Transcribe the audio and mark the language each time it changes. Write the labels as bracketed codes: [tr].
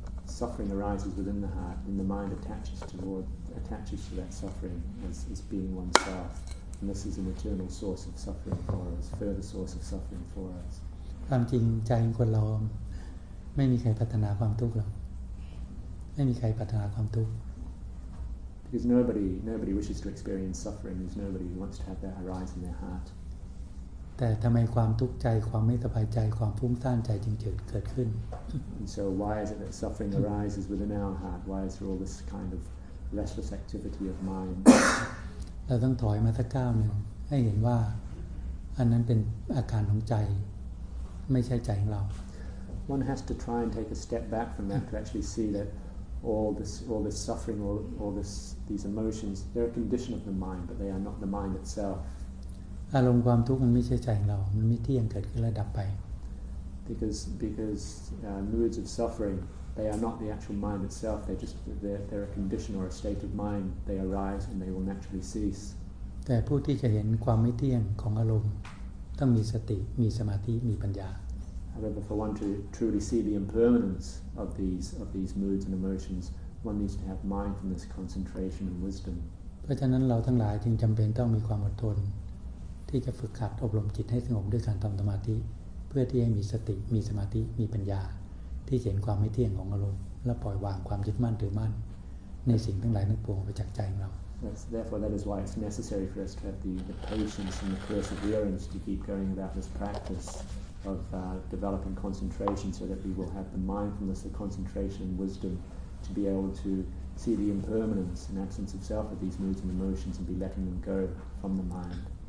[en] suffering arises within the heart, and the mind attaches to that suffering as being oneself. And this is an eternal source of suffering for us, further source of suffering for us. [th] ความจริงใจของคนเราไม่มีใครพัฒนาความทุกข์หรอกไม่มีใครพัฒนาความทุกข์ [en] Because nobody wishes to experience suffering. There's nobody who wants to have that arise in their heart. [th] แต่ทำไมความทุกข์ใจความไม่สบายใจความฟุ้งซ่านใจจึงเกิดขึ้น [en] And so why is it that suffering arises within our heart? Why is there all this kind of restless activity of mind? [th] เราต้องถอยมาสักก้าวหนึ่งให้เห็นว่าอันนั้นเป็นอาการของใจไม่ใช่ใจของเรา [en] One has to try and take a step back from that to actually see that all this suffering all these emotions they're a condition of the mind but they are not the mind itself [th] อารมณ์ความทุกข์มันไม่ใช่ใจของเรามันไม่เที่ยงเกิดขึ้นแล้วดับไป [en] because moods of suffering they are not the actual mind itself they're just a condition or a state of mind they arise and they will naturally cease [th] แต่ผู้ที่จะเห็นความไม่เที่ยงของอารมณ์ต้องมีสติมีสมาธิมีปัญญา [en] However, for one to truly see the impermanence of these moods and emotions, one needs to have mindfulness, concentration, and wisdom. [th] เพราะฉะนั้นเราทั้งหลายจึงจำเป็นต้องมีความอดทนที่จะฝึกหัดอบรมจิตให้สงบด้วยการทำสมาธิเพื่อที่ให้มีสติมีสมาธิมีปัญญาที่เห็นความไม่เที่ยงของอารมณ์และปล่อยวางความยึดมั่นถือมั่นในสิ่งทั้งหลายทั้งปวงไปจากใจของเรา [en] Therefore, that is why it's necessary for us to have the patience and the perseverance to keep going about this practice of developing concentration, so that we will have the mindfulness, the concentration, and wisdom to be able to see the impermanence and absence of self of these moods and emotions, and be letting them go from the mind.